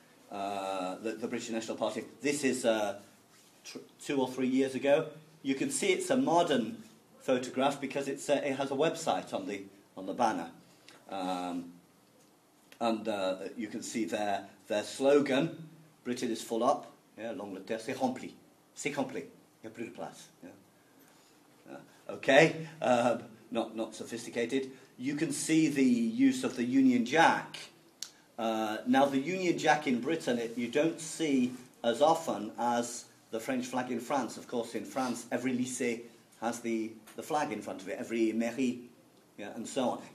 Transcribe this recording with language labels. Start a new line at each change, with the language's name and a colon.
English: The British National Party. This is 2 or 3 years ago. You can see it's a modern photograph because it has a website on the banner, and you can see their slogan: "Britain is full up."
French: Yeah, long live terre, c'est rempli, il n'y a plus de place.
English: Okay, not sophisticated. You can see the use of the Union Jack. Now, the Union Jack in Britain, you don't see as often as the French flag in France. Of course, in France, every lycée has the flag in front of it, every mairie, yeah, and so on.